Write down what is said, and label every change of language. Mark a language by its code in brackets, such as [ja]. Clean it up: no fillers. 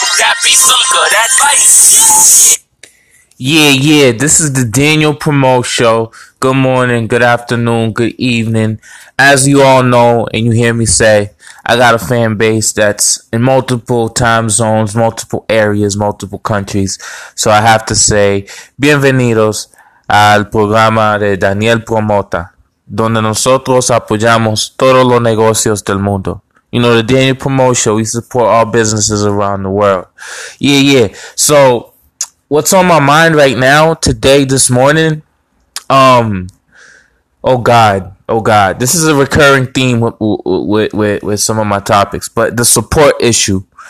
[en] That be some good advice. Yeah, this is the Daniel Promo Show. Good morning, good afternoon, good evening. As you all know, and you hear me say, I got a fan base that's in multiple time zones, multiple areas, multiple countries. So I have to say, [es] bienvenidos al programa de Daniel Promota, donde nosotros apoyamos todos los negocios del mundo. [en] You know, the Daniel Promo Show, we support all businesses around the world. Yeah. So, what's on my mind right now, today, this morning? Oh God. This is a recurring theme with some of my topics, but the support issue.